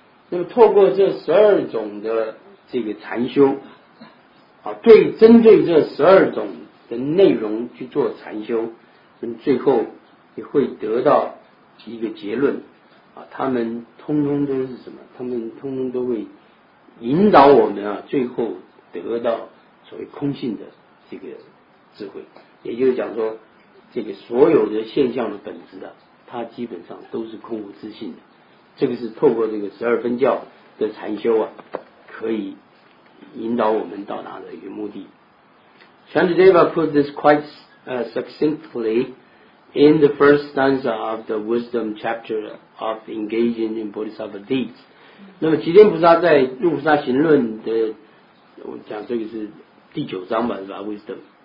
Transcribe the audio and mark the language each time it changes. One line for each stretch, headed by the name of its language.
Chinese: 那么透过这十二种的这个禅修啊，对，针对这十二种的内容去做禅修，最后也会得到一个结论啊，他们通通都是什么，他们通通都会引导我们啊，最后得到所谓空性的这个智慧。也就是讲说这个所有的现象的本质啊，它基本上都是空无自性的，这个是透过这个十二分教的禅修啊，可以引导我们到达的一个目的。
English: Chandradeva put this quite succinctly in the first stanza of the wisdom chapter of engaging in Bodhisattva deeds.
Chinese: 那么吉殿菩萨在入菩萨行论的，我讲这个是第九章吧，是吧 wisdom。